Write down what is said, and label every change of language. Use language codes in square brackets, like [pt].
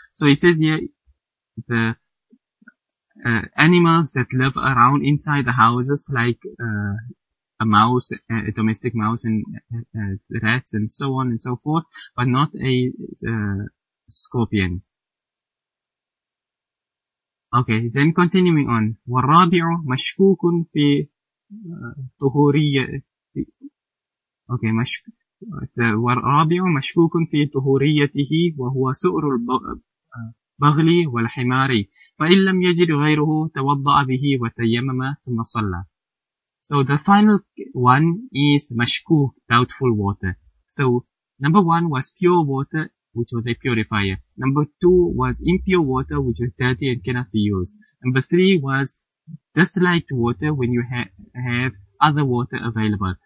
[en] So it says here, the animals that live around inside the houses, like a mouse, a domestic mouse, and rats, and so on and so forth, but not a scorpion. Okay, then continuing on. [ar] والرابع مشكوك في طهورية. Okay, ورابع مشكوك في طهوريته وهو سؤر البغل والحمار، فإن لم يجد غيره توضأ به وتيمم ثم صلى. [en] So the final one is مشكوك, doubtful water. So number one was pure water, which was a purifier. Number two was impure water, which was dirty and cannot be used. Number three was disliked water when you have other water available.